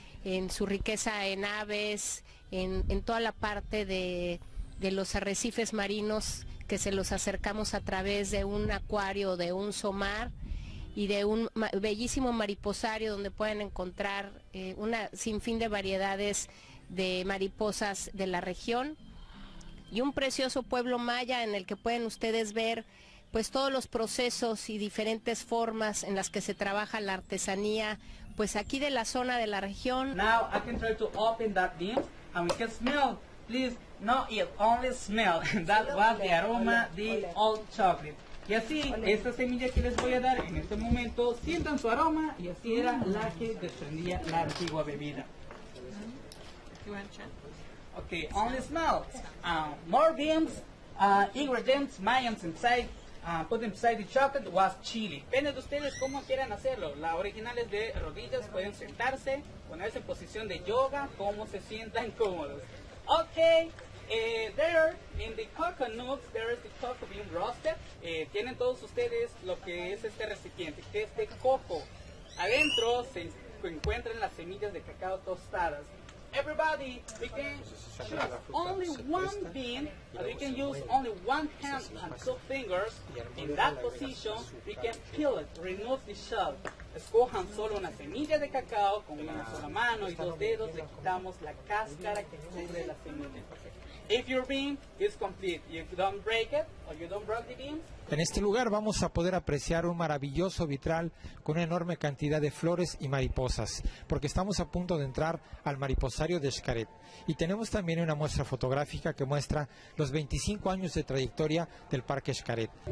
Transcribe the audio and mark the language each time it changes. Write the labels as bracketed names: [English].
[Spanish] en su riqueza en aves, en toda la parte de los arrecifes marinos, que se los acercamos a través de un acuario, de un somar y de un bellísimo mariposario, donde pueden encontrar una sinfín de variedades de mariposas de la región, y un precioso pueblo maya en el que pueden ustedes ver pues todos los procesos y diferentes formas en las que se trabaja la artesanía, pues aquí de la zona de la región. [English] Now I can try to open that beam and we can smell, please, no, it only smell. That was the aroma, the old chocolate. [Spanish] Y así, esta semilla que les voy a dar en este momento, sientan su aroma, y así era la que desprendía la antigua bebida. [English] Okay, only smell. More beans, ingredients, mayans inside. Put inside the chocolate was chili. Depende de ustedes cómo quieran hacerlo. [Spanish] La original es de rodillas, pueden sentarse, ponerse en posición de yoga, como se sientan cómodos. [English] Okay, there in the coconut, there is the coco bean roasted. [Spanish] Tienen todos ustedes lo que es este recipiente, que es de coco. Adentro se encuentran las semillas de cacao tostadas. [English] Everybody, we can choose only one bean, and we can use only one hand and two fingers. In that position, we can peel it, remove the shell. [Spanish] Escojan solo una semilla de cacao con una sola mano y dos dedos, le quitamos la cáscara que cubre la semilla. [English] If your bean is complete, if you don't break it or you don't break the beans. [Spanish] En este lugar vamos a poder apreciar un maravilloso vitral con una enorme cantidad de flores y mariposas, porque estamos a punto de entrar al mariposario de Xcaret. Y tenemos también una muestra fotográfica que muestra los 25 años de trayectoria del Parque Xcaret.